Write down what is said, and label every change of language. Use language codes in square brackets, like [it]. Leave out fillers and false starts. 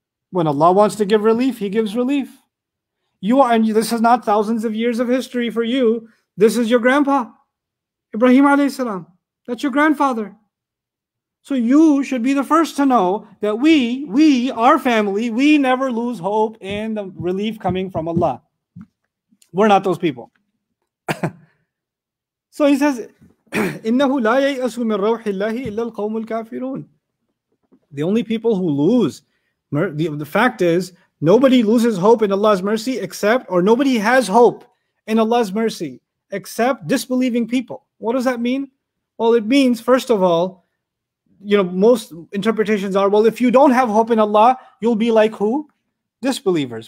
[en] When Allah wants to give relief, he gives relief. You are, and this is not thousands of years of history for you. This is your grandpa, Ibrahim alayhi salam. That's your grandfather. So you should be the first to know that we, our family, we never lose hope in the relief coming from Allah. We're not those people. So he says, [ar] إِنَّهُ لَا يَيْأَسُ مِنْ رَوْحِ اللَّهِ إِلَّا الْقَوْمُ الْكَافِرُونَ. [en] The only people who lose, the fact is, nobody loses hope in Allah's mercy except, or nobody has hope in Allah's mercy except disbelieving people. What does that mean? Well, it means, first of all, you know, most interpretations are, well, if you don't have hope in Allah, you'll be like who? Disbelievers.